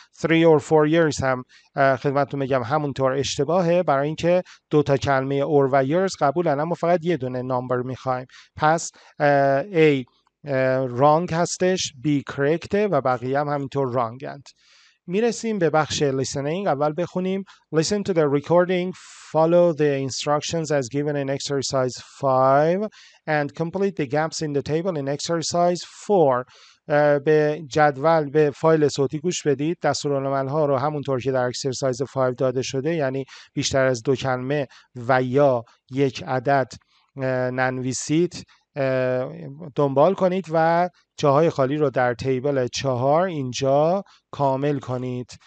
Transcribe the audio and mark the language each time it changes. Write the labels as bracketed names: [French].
[English] 3 or 4 years [Persian] هم خدمتتون میگم همونطور اشتباهه، برای اینکه دو تا کلمه or و years قبولن، اما فقط یه دونه number میخوایم. پس A wrong هستش، B correct و بقیه هم همینطور wrong هست. میرسیم به بخش listening. اول بخونیم. [English] Listen to the recording, follow the instructions as given in exercise 5 and complete the gaps in the table in exercise 4. [Persian] به جدول، به فایل صوتی گوش بدید، دستورالعمل ها رو همونطور که در اکسرسایز 5 داده شده، یعنی بیشتر از دو کلمه و یا یک عدد ننویسید، دنبال کنید و جاهای خالی رو در تیبل 4 اینجا کامل کنید.